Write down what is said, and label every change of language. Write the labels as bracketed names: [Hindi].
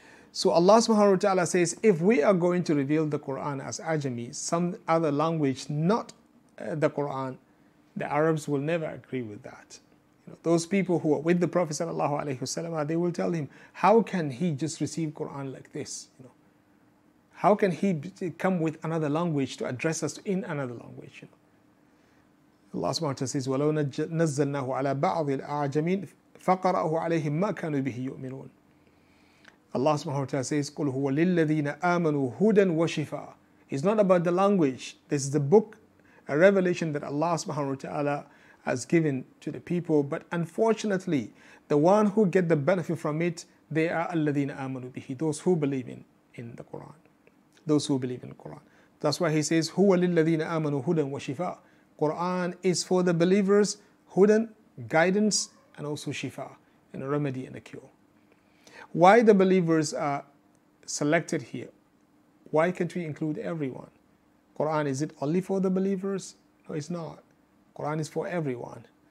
[English] So Allah subhanahu wa ta'ala says, if we are going to reveal the Quran as Ajami, some other language, not the Quran, the Arabs will never agree with that. You know, those people who are with the Prophet sallallahu alaihi wasallam, they will tell him, how can he just receive Quran like this? You know, how can he come with another language to address us in another language? You know? Allah subhanahu wa ta'ala says, [Arabic] وَلَوْ نَزَّلْنَاهُ عَلَىٰ بَعْضِ الْأَعْجَمِينَ فَقَرَأُهُ عَلَيْهِمْ مَا كَانُوا بِهِ يُؤْمِنُونَ. [English] Allah subhanahu wa ta'ala says, [Arabic] قُلْ هُوَ لِلَّذِينَ آمَنُوا هُدًى وَشِفَاءً. [English] It's not about the language. This is the book, a revelation that Allah subhanahu wa ta'ala has given to the people. But unfortunately, the one who get the benefit from it, they are [Arabic] الَّذِينَ آمَنُوا بِهِ. [English] Those who believe in the Quran. Those who believe in the Quran. That's why he says, [Arabic] هُوَ لِلَّذِينَ آمَنُوا هُدًى وَشِفَاءً. [English] Quran is for the believers, hudan, guidance, and also shifa, and a remedy and a cure. Why the believers are selected here? Why can't we include everyone? Quran, is it only for the believers? No, it's not. Quran is for everyone.